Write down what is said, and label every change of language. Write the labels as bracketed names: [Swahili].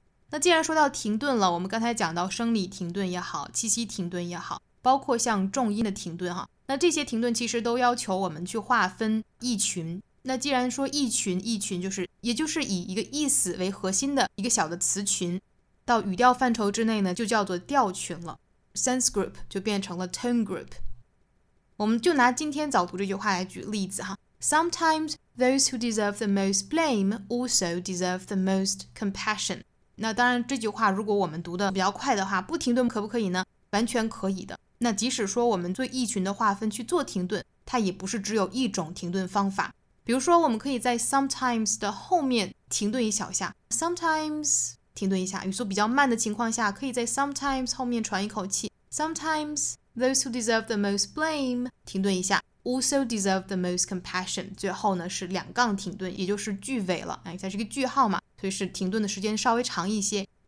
[Chinese] 那既然说到停顿了，我们刚才讲到生理停顿也好，气息停顿也好，包括像重音的停顿哈，那这些停顿其实都要求我们去划分意群。那既然说意群，意群就是也就是以一个意思为核心的一个小的词群，到语调范畴之内呢就叫做调群了， sense group 就变成了 tone group。我们就拿今天早读这句话来举例子哈。 [English] Sometimes those who deserve the most blame also deserve the most compassion。 [Chinese] 那当然这句话如果我们读的比较快的话，不停顿可不可以呢？完全可以的。那即使说我们对意群的划分去做停顿，它也不是只有一种停顿方法。比如说我们可以在 sometimes 的后面停顿一小下， sometimes 停顿一下，语速比较慢的情况下可以在 sometimes 后面喘一口气， [English] sometimes those who deserve the most blame [Chinese] 停顿一下， [English] also deserve the most compassion， [Chinese] 最后呢是两杠停顿，也就是句尾了，哎，它是一个句号嘛，所以是停顿的时间稍微长一些。